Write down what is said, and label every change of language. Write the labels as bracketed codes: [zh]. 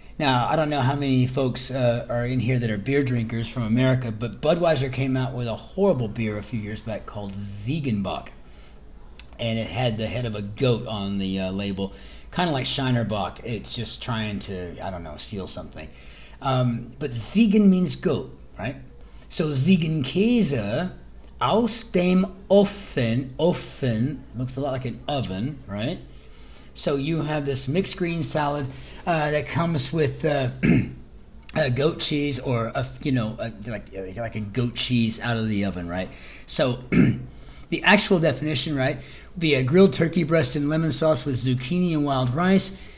[en] Now, I don't know how many folks are in here that are beer drinkers from America, but Budweiser came out with a horrible beer a few years back called Ziegenbock. And it had the head of a goat on the label, kind of like Scheinerbock. It's just trying to, I don't know, steal something. But Ziegen means goat, right? [de] So Ziegenkäse aus dem Ofen. [en] Ofen looks a lot like an oven, right? So you have this mixed green salad that comes with goat cheese, or like a goat cheese out of the oven, right? So the actual definition, right, would be a grilled turkey breast in lemon sauce with zucchini and wild rice.